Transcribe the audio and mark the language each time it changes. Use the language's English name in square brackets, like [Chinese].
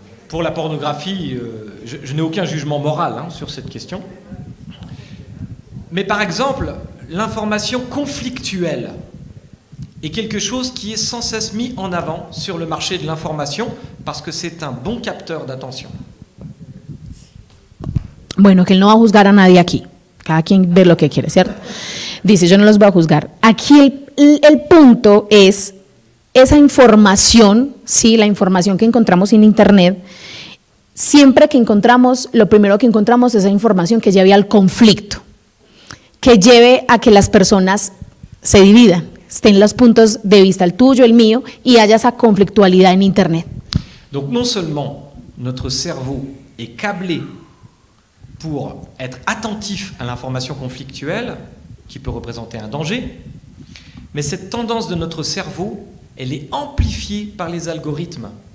[French] pour la pornographie, je n'ai aucun jugement moral sur cette question. Mais par exemple, l'information conflictuelle est quelque chose qui est sans cesse mis en avant sur le marché de l'information parce que c'est un bon capteur d'attention. [Spanish] Bueno, que él no va a juzgar a nadie aquí. Cada quien ve lo que quiere, ¿cierto? Dice, yo no los voy a juzgar. Aquí el punto es esa información, sí, la información que encontramos en internet. Siempre que encontramos, lo primero que encontramos es esa información que lleve al conflicto, que lleve a que las personas se dividan, estén los puntos de vista, el tuyo, el mío, y haya esa conflictualidad en internet. [French] Donc non seulement notre cerveau est câblé pour être attentif à l'information conflictuelle qui peut représenter un danger, mais cette tendance de notre cerveau, elle est amplifiée par les algorithmes.